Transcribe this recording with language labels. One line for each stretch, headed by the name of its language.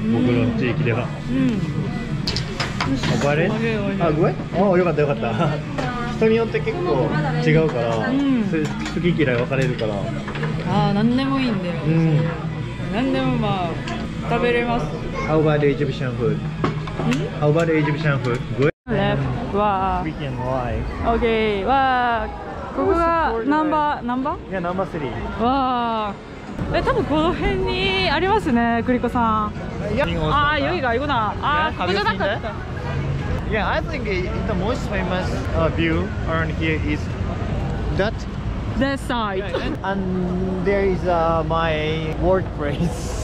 Japanese: 僕の地域では。おばれ？あ、ごめん。あ、よかったよかった。人によって結構違うから、好き嫌い分かれるから。あ、何でもいいんだよ。うん。何でもまあ食べれます。
English: How about the Egyptian food? How about the Egyptian food? Good. Left. Wow. Freaking live. Okay. Wow.
Japanese: ここがナンバー、ナンバー？いや、ナンバー3。わー。え、多分この辺にありますね、クリコさん。あー、よいが、いこな。あー、ここじゃなかった。
English: Yeah, I think the most famous view around here is that. That side. And there is my workplace.